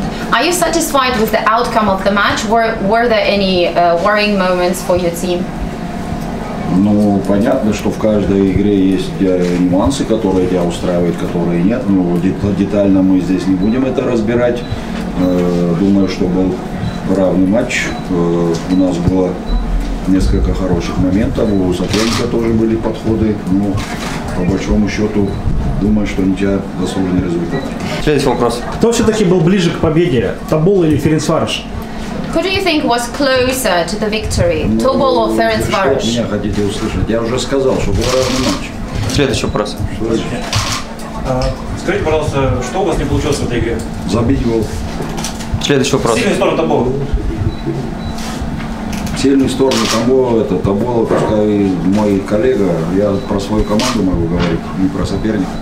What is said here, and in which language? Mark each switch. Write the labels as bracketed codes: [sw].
[en] Are you satisfied with the outcome of the match? Were there any worrying moments for your team? [ru] Ну, понятно, что в каждой игре есть нюансы, которые тебя устраивают, которые нет. Но детально мы здесь не будем это разбирать. Думаю, что был равный матч. У нас было несколько хороших моментов, у соперника тоже были подходы. Но, по большому счету, думаю, что у тебя заслуженный результат. Следующий вопрос. Кто все-таки был ближе к победе, Тобол или Ференцвараш? [en] Who do you think was closer to the victory, Тобол or Ференцвараш? [ru] Что вы меня хотите услышать? Я уже сказал, что был равный матч. Следующий вопрос. Скажите, пожалуйста, что у вас не получилось в этой игре? Забить гол. Следующий вопрос. Сильные стороны Тобола. Сильные стороны Тобола, это Тобола, пускай мой коллега, я про свою команду могу говорить, не про соперника.